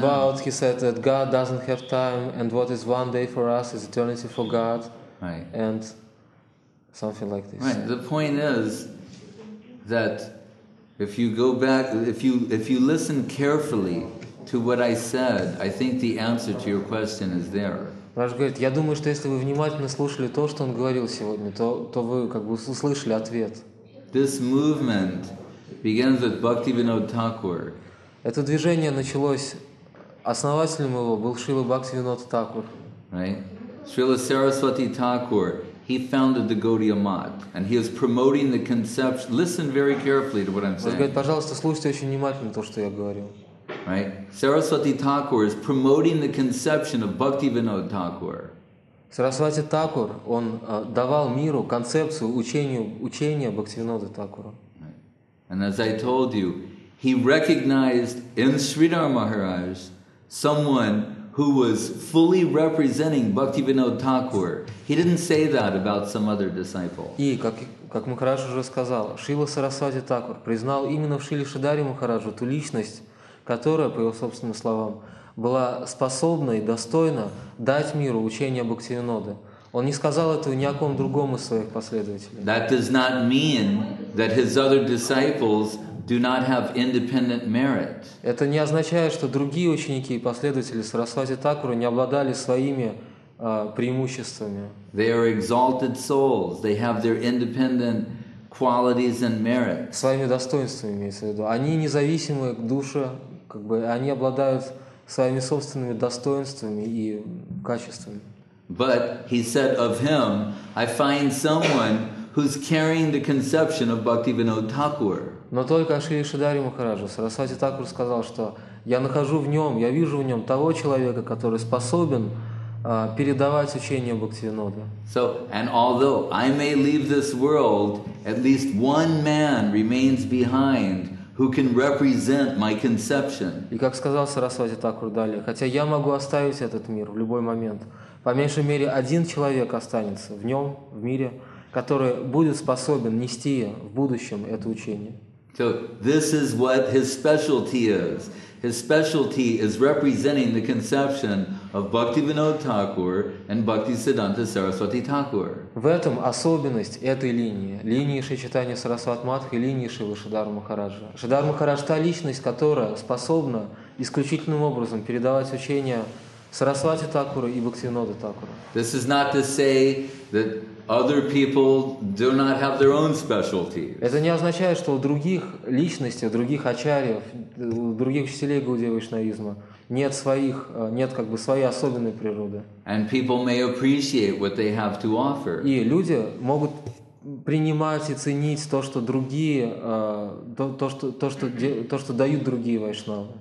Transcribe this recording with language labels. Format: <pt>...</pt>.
<en>About he said that God doesn't have time, and what is one day for us is eternity for God, right. And something like this. Right. The point is that if you go back, if you listen carefully to what I said, I think the answer to your question is there.</en> <ru>Раш говорит, я думаю, что если вы внимательно слушали то, что он говорил сегодня, то вы услышали ответ.</ru> <en>This movement begins with Bhaktivinoda Thakur.</en> <ru>Это движение началось, основателем его был Шрила Бхактивинода Такур.</ru> <en>Right? Шрила Сарасвати Такур, he founded the Gaudiya Math, and he is promoting the conception. Listen very carefully to what I'm saying. Раш говорит, пожалуйста, слушайте очень внимательно то, что я говорю. Right, Saraswati Thakur is promoting the conception of Bhaktivinoda Thakur.</en> <ru>Saraswati Thakur, он давал миру концепцию учения Бхактивинода Такура.</ru> <en>And as I told you, he recognized in Sridhar Maharaj someone who was fully representing Bhaktivinoda Thakur. He didn't say that about some other disciple.</en> <ru>И как Махарадж уже сказал, Шрила Сарасвати Такур признал именно в Шриле Шридхаре Махараджу ту личность, которая, по его собственным словам, была способна и достойна дать миру учение Бхактивиноды. Он не сказал этого ни о ком другом из своих последователей.</ru> <en>That does not mean that his other disciples do not have independent merit.</en> <ru>Это не означает, что другие ученики и последователи Сарасвати Такура не обладали своими преимуществами.</ru> <en>They are exalted souls. They have their independent qualities and merit.</en> <ru>Своими достоинствами имеется в виду. Они независимы к душе. Они обладают своими собственными достоинствами и качествами.</ru> <en>But he said of him, I find someone who's carrying the conception of Bhaktivinoda Thakur.</en> <ru>Но только Шри Шридхаре Махараджу Сарасвати Такур сказал, что я нахожу в нем, я вижу в нем того человека, который способен передавать учение Бхактивиноды.</ru> <en>So, and although I may leave this world, at least one man remains behind who can represent my conception.</en> <ru>И как сказал Сарасвати Такур далее, хотя я могу оставить этот мир в любой момент, по меньшей мере один человек останется в нем, в мире, который будет способен нести в будущем это учение.</ru> <en>So this is what his specialty is. His specialty is representing the conception of Bhaktivinoda Thakur and Bhaktisiddhanta Saraswati Thakur.</en> <ru>В этом особенность этой линии, линии Шри Чайтаньи Сарасвати Матхи, линии Шри Шридхара Махараджа. Шридхар Махарадж — та личность, которая способна исключительным образом передавать учение Сарасвати Такура и Бхактивинода Такура.</ru> <en>This is not to say that other people do not have their own specialties.</en> <ru>Это не означает, что у других личностей, у других ачарьев, у других учителей Гауди Вайшнавизма нет своих, нет как бы своей особенной природы.</ru> <en>And people may appreciate what they have to offer.</en> <ru>И люди могут принимать и ценить то, что другие, то, что дают другие вайшнавы.</ru>